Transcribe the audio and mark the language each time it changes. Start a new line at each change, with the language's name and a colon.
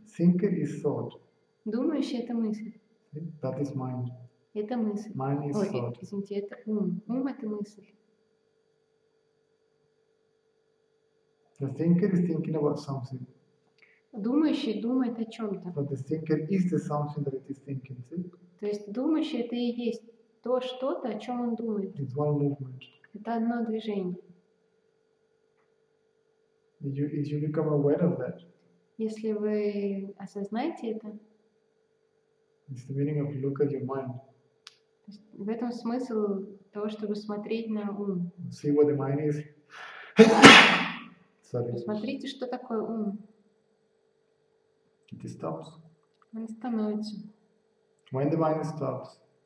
English: Thinker is thought.
Russian: Думающий — это мысль.
English: That is mind.
Russian: Это мысль.
English: Mind is thought.
Russian: Извините, это ум. Ум — это мысль.
English: The thinker is thinking about something.
Russian: Думающий думает о чем-то.
English: But the thinker is the something that it is thinking, see?
Russian: То есть думающий — это и есть то что-то, о чем он думает.
English: It's one movement.
Russian: Это одно движение.
English: If you become aware of that,
Russian: если вы осознаете это,
English: it's the meaning of look at your mind.
Russian: То есть в этом смысл того, чтобы смотреть на ум.
English: See what the mind is. Sorry.
Russian: Посмотрите, что такое ум.
English: It stops.
Russian: Он становится.
English: When the mind stops.